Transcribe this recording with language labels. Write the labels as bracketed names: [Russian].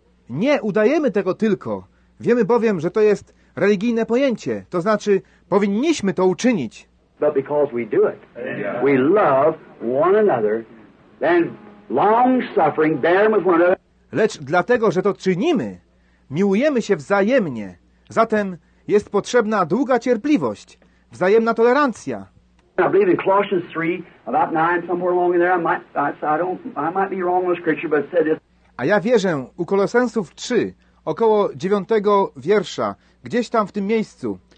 [Polish] Nie udajemy tego tylko. Wiemy bowiem, że to jest religijne pojęcie, to znaczy powinniśmy to uczynić. [English] But because we do it, we love one another, then long-suffering, bearing with one another. [Polish] Lecz dlatego, że to czynimy, miłujemy się wzajemnie. Zatem jest potrzebna długa cierpliwość, wzajemna tolerancja. [English] I believe in Colossians 3, about 9, somewhere along in there. I might be wrong on scripture, but it said this. [Polish] A ja wierzę u Kolosensów 3, około 9 wiersza, gdzieś tam w tym miejscu.